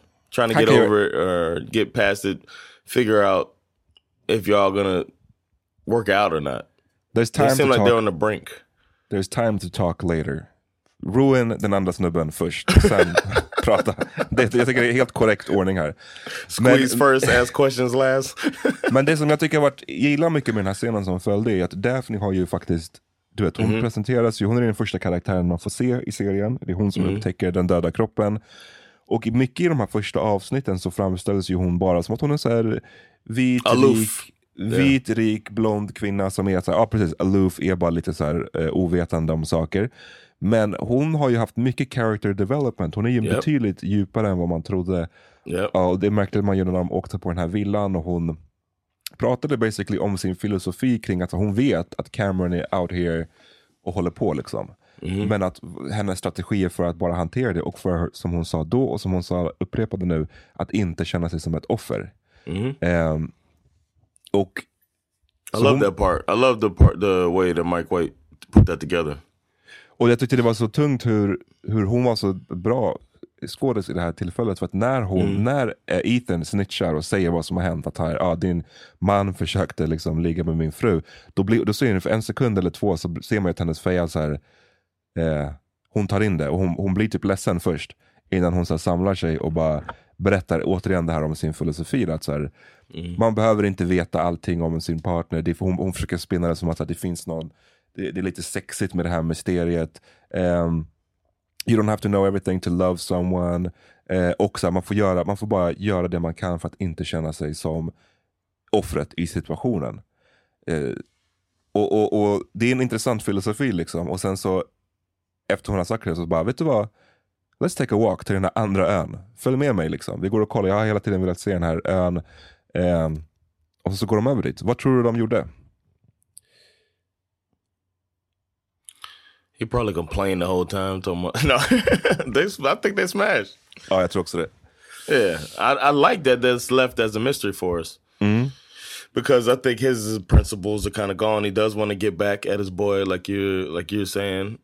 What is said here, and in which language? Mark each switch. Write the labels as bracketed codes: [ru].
[en] trying to get over it or get past it, figure out if y'all gonna work out or not. There's time. They seem like they're on the brink. There's time to talk later. [sv] Ruin den andra snubben först, sen prata. Jag tycker det är helt korrekt ordning här. [en] Squeeze first, ask questions last. [sv] Men det som jag tycker gillar mycket med den här scenen som följde är att Daphne har ju faktiskt, du vet, hon presenteras ju, hon är den första karaktären man får se i serien. Det är hon som upptäcker den döda kroppen. Och mycket i de här första avsnitten så framställs ju hon bara som att hon är såhär vit, [en] aloof. [sv] Vit, rik, blond kvinna som är såhär, precis, aloof, är bara lite såhär ovetande om saker. Men hon har ju haft mycket character development. Hon är ju betydligt djupare än vad man trodde. [en] Yep. [sv] Och det märkte man ju när de åkte på den här villan och hon pratade basically om sin filosofi kring att hon vet att Cameron är [en] out here [sv] och håller på liksom. Mm-hmm. Men att hennes strategi är för att bara hantera det och för, som hon sa då och som hon sa upprepade nu, att inte känna sig som ett offer. Mm-hmm. Och [en] I love that part. I love the part, the way that Mike White put that together. [sv] Och jag tyckte det var så tungt hur hon var så bra skådis i det här tillfället, för att när hon när Ethan snitchar och säger vad som har hänt, att här, din man försökte liksom ligga med min fru, då ser ni för en sekund eller två så ser man ju att hennes fejl så här, hon tar in det och hon blir typ ledsen först innan hon så här, samlar sig och bara berättar återigen det här om sin filosofi, att så här, man behöver inte veta allting om sin partner. Hon försöker spinna det som att det finns någon, det är lite sexigt med det här mysteriet. [en] You don't have to know everything to love someone. [sv] Och så här, man får bara göra det man kan för att inte känna sig som offret i situationen. Och det är en intressant filosofi liksom. Och sen så efter hon har sagt det så bara, vet du vad, [en] let's take a walk [sv] till den här andra ön. Följ med mig liksom. Vi går och kollar. Jag har hela tiden velat se den här ön. Och så går de över dit. Vad tror du de gjorde? [en] He probably complained the whole time. No. I think they smashed. [sv] Ja, jag tror också det. [en] Yeah. I like that that's left as a mystery for us. Mm. Because I think his principles are kind of gone. He does want to get back at his boy, like you're saying.